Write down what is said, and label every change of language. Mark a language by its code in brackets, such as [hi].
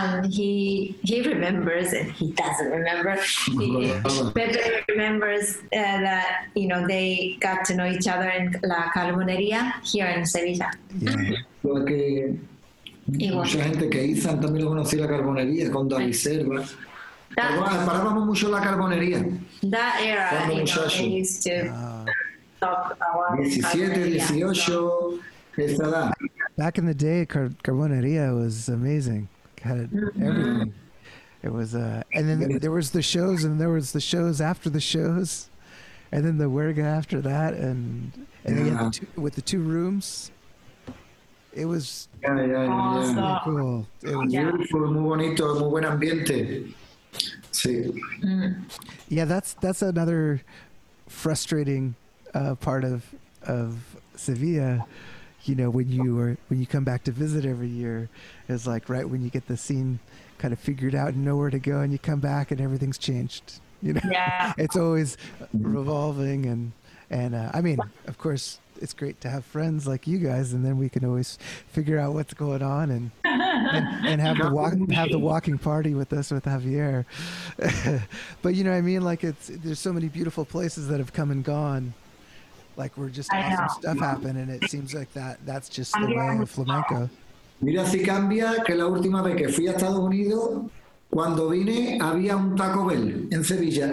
[en] He remembers, and he doesn't remember. Pepe remembers that, you know, they got to know each other in la carbonería here in Sevilla. Yeah. [es] Porque mucha gente que hizo también lo conocí la carbonería con David Serva. Parábamos mucho en la carbonería. [en] That era, you know, they used to talk a lot. [es] 17, 18, esa edad. [en] Back in the day, carbonería was amazing. Had it, everything. It was and then there was the shows, and there was the shows after the shows, and then the werga after that, and yeah. With the two rooms. It was yeah. Cool. It was beautiful, [es] muy bonito, muy buen ambiente. Sí. Sí. [en] Yeah, that's another frustrating part of Sevilla. You know, when you come back to visit every year, it's like right when you get the scene kind of figured out and know where to go, and you come back and everything's changed. You know, yeah. It's always revolving, and I mean, of course, it's great to have friends like you guys, and then we can always figure out what's going on and have the walking party with us with Javier. But you know what I mean? Like, there's so many beautiful places that have come and gone. Like, we're just having some stuff happen, and it seems like that's just the way of flamenco. [es] Mira si cambia que la última vez que fui a Estados Unidos, cuando vine, había un Taco Bell en Sevilla.